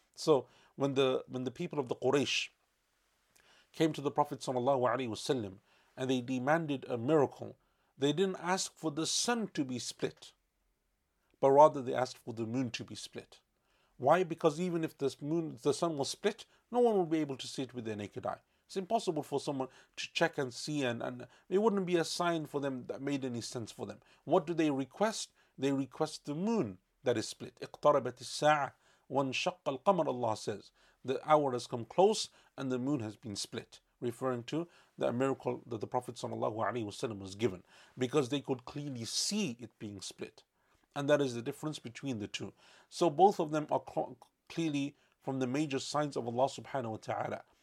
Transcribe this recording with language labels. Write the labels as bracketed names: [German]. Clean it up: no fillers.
[English] So when the people of the Quraysh came to the Prophet sallallahu alaihi wasallam and they demanded a miracle, they didn't ask for the sun to be split, but rather they asked for the moon to be split. Why? Because even if the sun was split, no one would be able to see it with their naked eye. It's impossible for someone to check and see, and it wouldn't be a sign for them that made any sense for them. What do they request? They request the moon that is split. [Arabic] اقتربت الساعة وانشق القمر, [English] Allah says. The hour has come close and the moon has been split. Referring to the miracle that the Prophet ﷺ was given. Because they could clearly see it being split. And that is the difference between the two. So both of them are clearly from the major signs of Allah subhanahu wa ta'ala.